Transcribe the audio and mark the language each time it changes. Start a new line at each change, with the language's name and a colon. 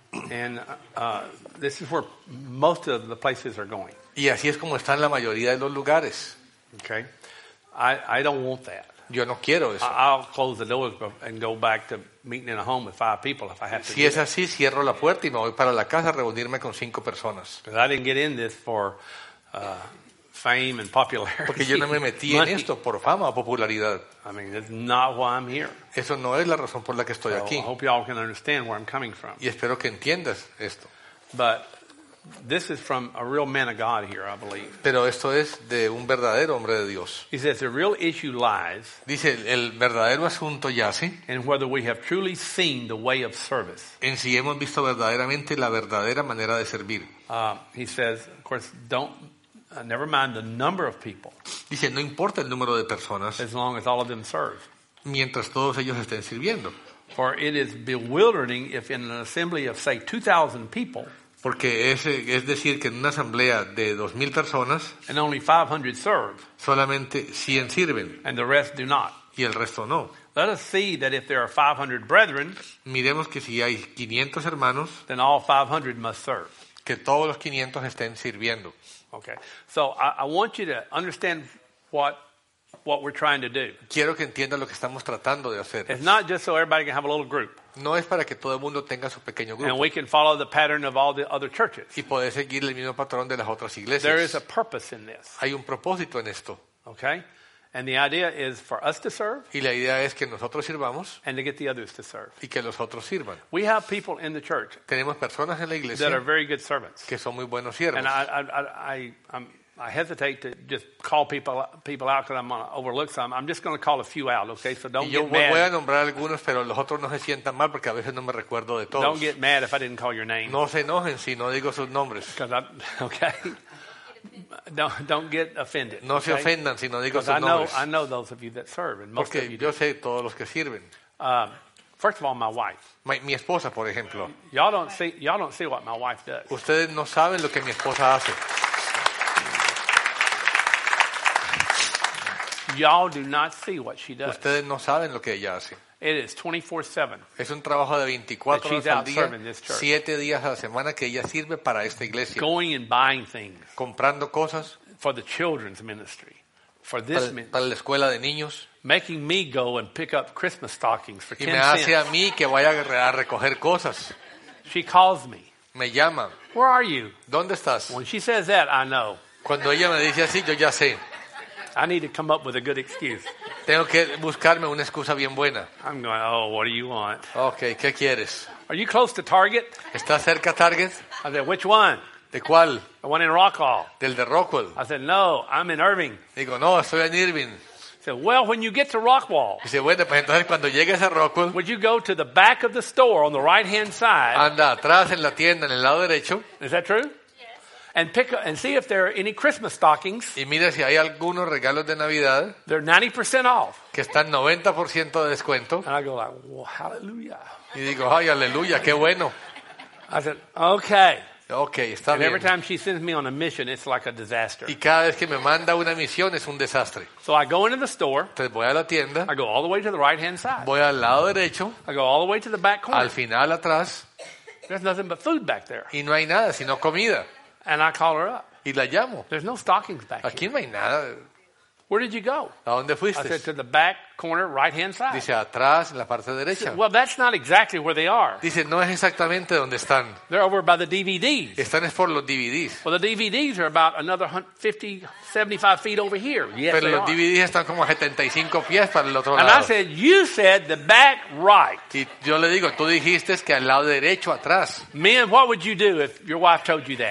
English: And this is where most of the places are going.
Spanish: Y así es como están la mayoría de los lugares.
English: Okay. I don't want that.
Spanish: Yo no quiero eso.
English: I'll close the doors and go back to meeting in a home with five people if I have to.
Spanish: Si es así, cierro la puerta y me voy para la casa a reunirme con cinco personas.
English: But I didn't get in this for fame and popularity.
Spanish: Porque yo no me metí en esto por fama o popularidad.
English: I mean, that's not why I'm here.
Spanish: Eso no es la razón por la que estoy
English: so
Spanish: aquí.
English: I hope y'all can understand where I'm coming from.
Spanish: Y espero que entiendas esto.
English: But this is from a real man of God here, I believe.
Spanish: Pero esto es de un verdadero hombre de Dios.
English: He says the real issue lies.
Spanish: Dice el verdadero asunto yace.
English: In whether we have truly seen the way of service.
Spanish: En si hemos visto verdaderamente la verdadera manera de servir.
English: He says, of course, don't. Never mind the number of people.
Spanish: Dice, no importa el número de personas.
English: As long as all of them serve.
Spanish: Mientras todos ellos estén sirviendo.
English: For it is bewildering if in an assembly of say 2,000 people.
Spanish: Porque es decir que en una asamblea de 2,000 personas.
English: And only 500 serve.
Spanish: Solamente 100 sirven.
English: And the rest do not.
Spanish: Y el resto no.
English: Let us see that if there are 500 brethren.
Spanish: Miremos que si hay 500 hermanos.
English: Then all 500 must serve.
Spanish: Que todos los 500 estén sirviendo.
English: Okay, so I want you to understand what we're trying to do.
Spanish: Quiero que entiendan lo que estamos tratando de hacer.
English: It's not just so everybody can have a little group.
Spanish: No es para que todo el mundo tenga su pequeño grupo.
English: And we can follow the pattern of all the other churches.
Spanish: Y poder seguir el mismo patrón de las otras iglesias.
English: There is a purpose in this.
Spanish: Hay un propósito en esto.
English: Okay, and the idea is for us to serve.
Spanish: Y la idea es que nosotros sirvamos.
English: And to get the others to serve.
Spanish: Y que los otros sirvan.
English: We have people in the church.
Spanish: Tenemos personas en la iglesia.
English: That are very good servants.
Spanish: Que son muy buenos siervos.
English: And I hesitate to just call people out because I'm going to overlook some. I'm just going to call a few out, okay? So don't get mad.
Spanish: Yo voy a nombrar algunos, pero los otros no se sientan mal porque a veces no me recuerdo de todos.
English: Don't get mad if I didn't call your name.
Spanish: No se enojen si no digo sus nombres.
English: Okay. Don't get offended.
Spanish: No se ofendan si no digo sus nombres.
English: I know those of you that serve, and most of you.
Spanish: Porque yo sé todos los que sirven.
English: First of all, my wife.
Spanish: Mi esposa, por ejemplo.
English: Y'all don't see what my wife does.
Spanish: Ustedes no saben lo que mi esposa hace.
English: Y'all do not see what she does.
Spanish: Ustedes no saben lo que ella hace.
English: It is 24/7.
Spanish: Es un trabajo de 24 horas al día,
English: serving this church.
Spanish: 7 días a la semana que ella sirve para esta iglesia.
English: Going and buying things.
Spanish: Comprando cosas.
English: For the children's ministry. For this ministry.
Spanish: Para la escuela de niños.
English: Making me go and pick up Christmas stockings for 10 cents.
Spanish: Y me hace a mí que vaya a recoger cosas.
English: She calls me.
Spanish: Me llama.
English: Where are you?
Spanish: ¿Dónde estás?
English: When she says that, I know.
Spanish: Cuando ella me dice así, yo ya sé.
English: I need to come up with a good excuse.
Spanish: Tengo que buscarme una excusa bien buena.
English: I'm going, oh, what do you want?
Spanish: Okay, ¿qué quieres?
English: Are you close to Target?
Spanish: ¿Estás cerca a Target?
English: I said, which one?
Spanish: ¿De cuál?
English: The one in Rockwall.
Spanish: Del de Rockwall.
English: I said, no, I'm in Irving.
Spanish: Digo, no, estoy en Irving.
English: He said, well, when you get to Rockwall.
Spanish: Dice, bueno, pues entonces cuando llegues a Rockwall.
English: Would you go to the back of the store on the right-hand side?
Spanish: Anda, atrás en la tienda, en el lado derecho.
English: Is that true? And pick up, and see if there are any Christmas stockings.
Spanish: Y mira si hay algunos regalos de Navidad.
English: They're 90% off.
Spanish: Que están 90% de descuento.
English: And I go like, well, hallelujah.
Spanish: Y digo, ay, aleluya, qué bueno.
English: I said, okay.
Spanish: Okay, está
English: and
Spanish: bien.
English: And every time she sends me on a mission, it's like a disaster.
Spanish: Y cada vez que me manda una misión es un desastre.
English: So I go into the store.
Spanish: Entonces voy a la tienda.
English: I go all the way to the right-hand side.
Spanish: Voy al lado derecho.
English: I go all the way to the back corner.
Spanish: Al final atrás.
English: There's nothing but food back there.
Spanish: Y no hay nada sino comida.
English: And I call her up.
Spanish: Y la llamo.
English: There's no stockings back
Spanish: aquí
English: here.
Spanish: No hay nada.
English: Where did you go?
Spanish: ¿A dónde fuiste?
English: I said, to the back corner, right-hand side.
Spanish: Dice, atrás, en la parte derecha.
English: Said, well, that's not exactly where they are.
Spanish: Dice, no es exactamente donde están.
English: They're over by the DVDs.
Spanish: Están es por los DVDs.
English: Well, the DVDs are about another 50, 75 feet over here. Yes,
Spanish: pero
English: they
Spanish: los
English: are.
Spanish: DVDs están como 75 pies para el otro
English: and
Spanish: lado.
English: And I said, you said the back right.
Spanish: Y yo le digo, tú dijiste que al lado derecho, atrás.
English: Man, what would you do if your wife told you that?